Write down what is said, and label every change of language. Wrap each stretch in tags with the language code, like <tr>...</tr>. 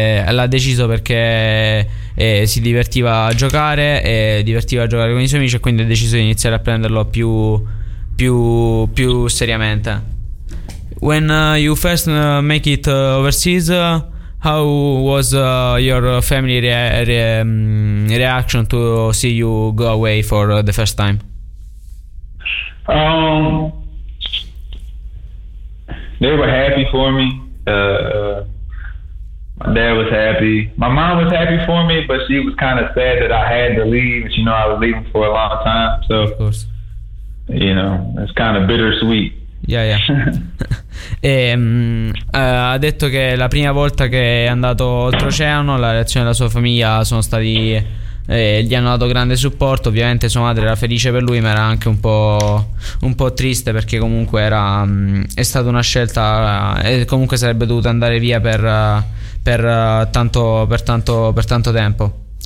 <it>L'ha deciso perché si divertiva a giocare e divertiva a giocare con i suoi amici, e quindi ha deciso di iniziare a prenderlo più seriamente.</it> <en>When you first make it overseas, how was your family reaction to see you go away for the first time? They were happy for me. My dad was happy. My mom was happy for me, but she was kind of sad that I had to leave. You know, I was leaving for a long time. So, of course. You know, it's kind of bittersweet. Yeah, yeah.</en> <it>ha detto che la prima volta che è andato oltreoceano, la reazione della sua famiglia sono stati gli hanno dato grande supporto. Ovviamente sua madre era felice per lui, ma era anche un po' triste, perché comunque era è stata una scelta, e comunque sarebbe dovuto andare via per tanto tempo.</it>